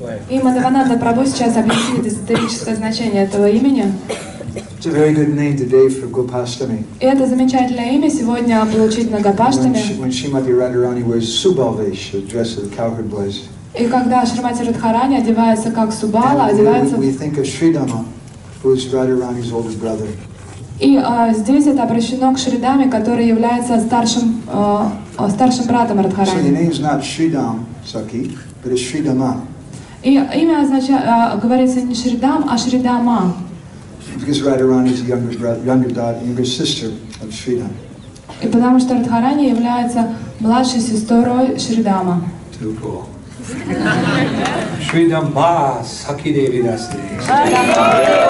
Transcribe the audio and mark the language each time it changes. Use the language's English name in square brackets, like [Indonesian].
[Russian] И Мадхавананда Прабху сейчас объяснит эзотерическое значение этого имени. [English] It's a very good name today for Gopashtami. [Russian] И это замечательное имя сегодня получить на Гопаштами. [English] When Shrimati Radharani wears Subalvesh, the dress of the cowherd boys. [Russian] И когда Шримати Радхарани одевается как Субала, одевается. [English] We think of Shridama, who is Radharani's older brother. [Russian] И здесь это обращено к Шридаме, который является старшим старшим братом Радхарани. [English] So the name is not Shridam Saki. But it's Sri Dama. [Russian] И имя означает, говорится не Шри Дам, а Шри Дама. [English] Because Radharani is the younger brother, younger daughter, younger sister of Sri Dama. [Russian] И потому что Радхарани является младшей сестрой Шри Дама. [English] Too cool. Sri Dama Sakhi Devi Dasi.